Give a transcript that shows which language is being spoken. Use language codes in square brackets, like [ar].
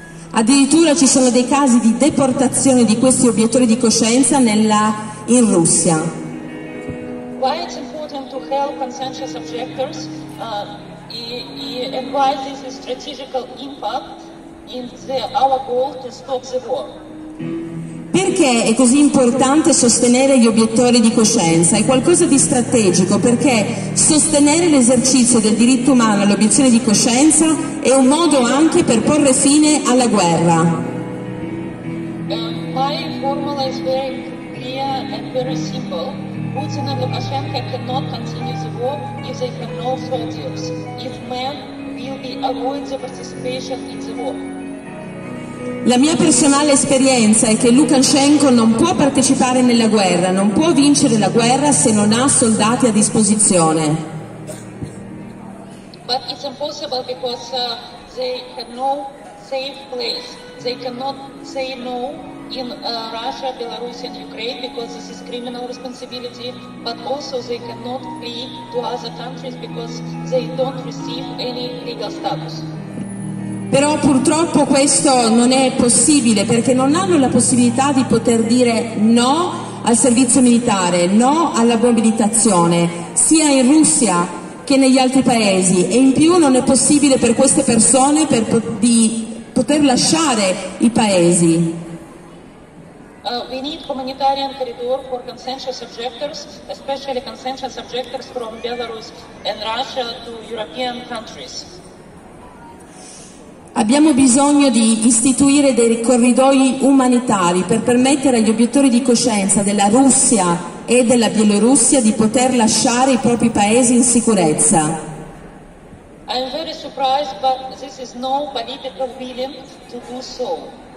[it] Addirittura ci sono dei casi di deportazione di questi obiettori di coscienza in Russia. [en] Why it's important to help conscientious objectors and why this is strategical impact in our goal to stop the war? [it] Perché è così importante sostenere gli obiettori di coscienza? È qualcosa di strategico, perché sostenere l'esercizio del diritto umano all'obiezione di coscienza è un modo anche per porre fine alla guerra. [en] My formula is very clear and very simple. Putin and Lukashenko cannot continue the war if they have no soldiers, if men will be avoid the participation in the war. [it] La mia personale esperienza è che Lukashenko non può partecipare nella guerra, non può vincere la guerra se non ha soldati a disposizione. [en] But it's impossible because they have no safe place. They cannot say no in Russia, Belarus and Ukraine because this is criminal responsibility, but also they cannot flee to other countries because they don't receive any legal status. [it] Però purtroppo questo non è possibile perché non hanno la possibilità di poter dire no al servizio militare, no alla mobilitazione, sia in Russia che negli altri paesi. E in più non è possibile per queste persone di poter lasciare i paesi. [en] We need humanitarian corridor for conscientious objectors, especially conscientious objectors from Belarus and Russia to European countries. [it] Abbiamo bisogno di istituire dei corridoi umanitari per permettere agli obiettori di coscienza della Russia e della Bielorussia di poter lasciare i propri paesi in sicurezza. [en] I'm very surprised, but this is no political willing to do so.